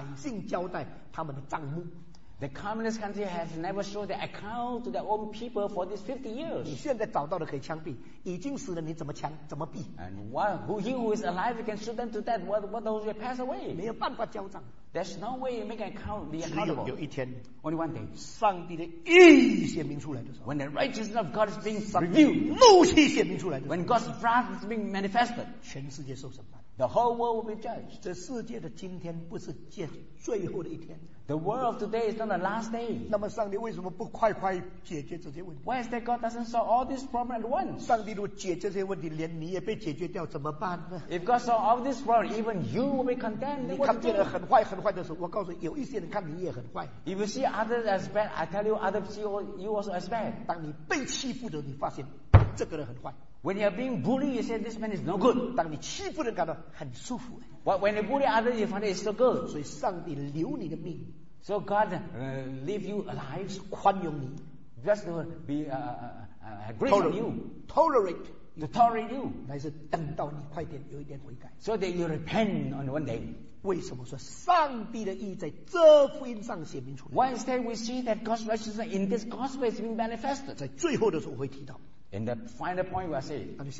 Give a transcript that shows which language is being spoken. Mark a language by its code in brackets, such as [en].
[zh] 共产党这50年来从来没有向百姓交代他们的账目。 [en] The communist country has never showed the account to their own people for these 50 years. [zh] 你现在找到了可以枪毙，已经死了你怎么枪怎么毙？ [en] And who is alive can shoot them to death. What those will pass away? [zh] 没有办法交账。 [en] There's no way you make an account be accountable. [zh] 只有一天， [en] only one day， [zh] 上帝的义显明出来的时候， [en] when the righteousness of God is being revealed， [zh] 怒气显明出来的时候， [en] when God's wrath is being manifested， [zh] 全世界受审判。 [en] The whole world will be judged. [zh] 这世界的今天不是最后的一天。 [en] The world of today is not the last day. [zh] 那么上帝为什么不快快解决这些问题？ [en] Why is that God doesn't solve all these problems at once? [zh] 上帝如果解决这些问题，连你也被解决掉，怎么办呢？ [en] If God solves all these problems, even you will be condemned. [zh] 你看别人很坏很坏的时候，我告诉你，有一些人看你也很坏。 [en] If you see others as bad, I tell you other people, you also as bad. [zh] 当你被欺负的时候，你发现这个人很坏。 [en] When you are being bullied, you say this man is no good. [zh] 当你欺负人感到很舒服。 [en] But when you bully others, you find it is so good. [zh] 所以上帝留你的命。 [en] So God leave you alive, [zh] 宽容你。 [en] Just to be grace on you. Tolerate. To tolerate you. [zh] 乃是等到你快点有一点悔改。 [en] So that you repent on one day. [zh] 为什么说上帝的义在这福音上显明出来？ [en] Why is that we see that God's righteousness in this gospel is being manifested? [zh] 在最后的时候会提到。 [en] In the final point, we are saying.